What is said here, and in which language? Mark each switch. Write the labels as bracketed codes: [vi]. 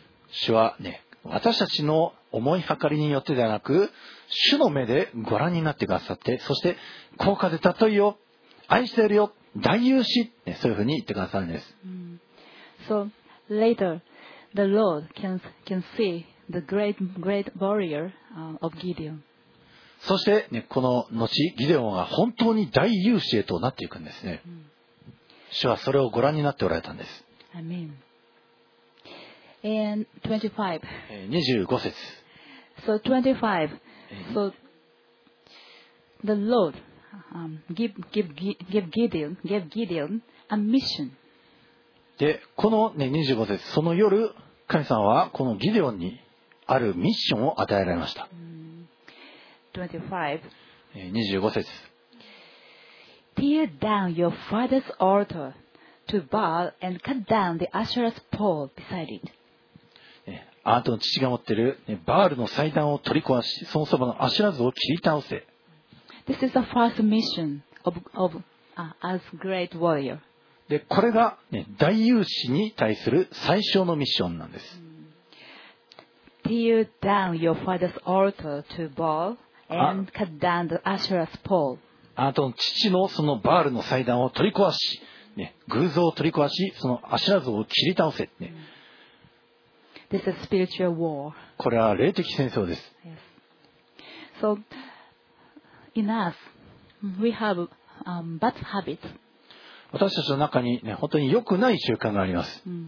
[ja] 主は、ね、私たちの思い計りによってではなく主の目でご覧になってくださってそして高価で尊いよ愛しているよ大勇士、ね、そういうふうに言ってくださるんです、 [en] So later the Lord can see the great warrior of Gideon. [ja] そして、ね、この後ギデオンは本当に大勇士へとなっていくんですね、主はそれをご覧になっておられたんです。アメン。And 25節。 [en] So 25. So the Lord gave Gideon a mission. [ja] で、この、ね、25節、その夜神様はこのギデオンにあるミッションを与えられました。 25節。 [en] Tear down your father's altar to Baal and cut down the Asherah's pole beside it. [ja] あなたの父が持っているバールの祭壇を取り壊し、そのそばのアシュラ像を切り倒せ。 [en] This is the first mission of as great warrior. [ja] で、これが、ね、大勇士に対する最初のミッションなんです。 [en] Tear down your father's altar to Baal. And cut down the Asherah's pole. [ja] あなたの父のそのバールの祭壇を取り壊し、ね、偶像を取り壊し、そのアシュラ像を切り倒せ、ね。 [en] This is spiritual war. [ja] これは霊的戦争です。 [en] Yes. So in us, we have bad habits. [ja] 私たちの中に、ね、本当に良くない習慣があります。